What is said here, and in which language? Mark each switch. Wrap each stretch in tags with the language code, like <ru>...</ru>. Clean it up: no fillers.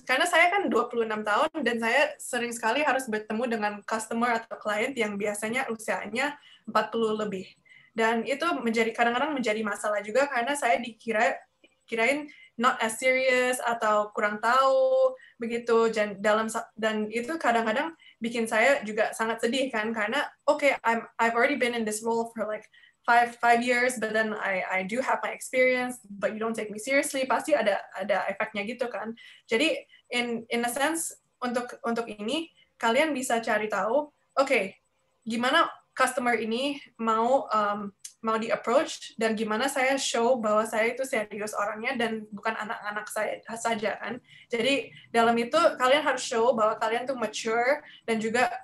<id>Karena saya kan 26 tahun, dan saya sering sekali harus bertemu dengan customer atau client yang biasanya usianya 40 lebih. Dan itu kadang-kadang menjadi masalah juga, karena saya dikirain</id> <en>not as serious,</en> <id>atau kurang tahu, begitu. Dan itu kadang-kadang bikin saya juga sangat sedih, kan.</id> <en>Karena, okay, I've already been in this role for like five years, but then I do have my experience, but you don't take me seriously.</en> <id>Pasti ada efeknya gitu kan. Jadi</id> <en>in a sense</en> <id>untuk ini kalian bisa cari tahu, okay, gimana customer ini mau di approach dan gimana saya show bahwa saya itu serius orangnya dan bukan anak-anak saya saja kan. Jadi dalam itu kalian harus show bahwa kalian tuh mature dan juga</id>